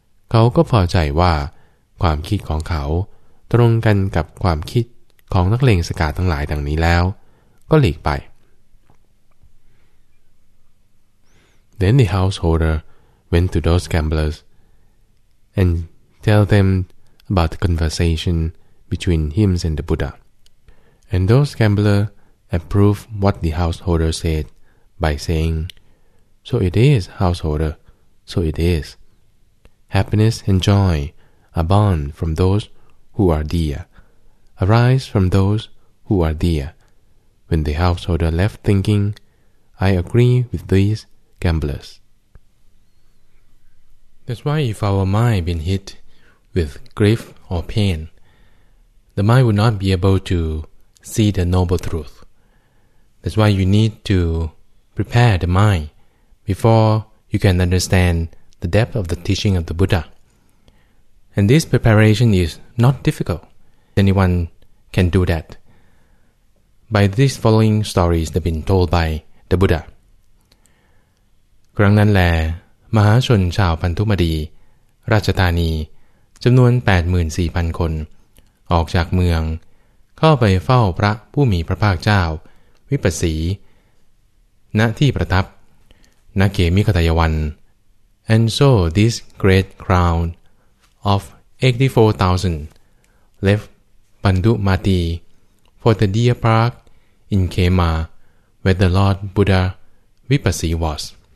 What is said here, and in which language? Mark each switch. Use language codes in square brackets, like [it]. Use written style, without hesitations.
[th] เขาก็พอใจว่าความคิดของเขาตรงกันกับความคิดของนักเลงสกาทั้งหลายดังนี้แล้วก็หลีกไป [en] Then the householder went to those gamblers and tell them about the conversation between him and the Buddha. And those gamblers approved what the householder said by saying, So it is, householder, so it is. Happiness and joy are born from those who are dear, arise from those who are dear. When the householder left thinking, I agree with these gamblers. That's why if our mind been hit with grief or pain, the mind would not be able to see the noble truth. That's why you need to prepare the mind before you can understand the depth of the teaching of the Buddha. And this preparation is not difficult. Anyone can do that. By these following stories that have been told by the Buddha. [th] ครั้งนั้นแลมหาชนชาวพันธุมดีราชธานีจำนวน 84,000 คนออกจากเมืองเข้าไปเฝ้าพระผู้มีพระภาคเจ้าวิปัสสีณที่ประทับณเขมิกตยวัน [en] And so this great crowd of 84,000 left Pandumati for the dear park in Kema where the Lord Buddha Vipassi was.